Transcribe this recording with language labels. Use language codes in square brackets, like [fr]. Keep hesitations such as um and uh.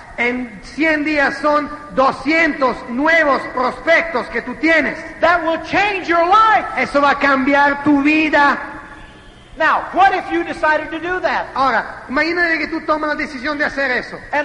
[es] en 100 días son 200 nuevos prospectos que tú tienes. [en] That will change your life. [es] Eso va a cambiar tu vida. [en] Now, what if you decided to do that? [es] Ahora, imagínate que tú tomas la decisión de hacer eso.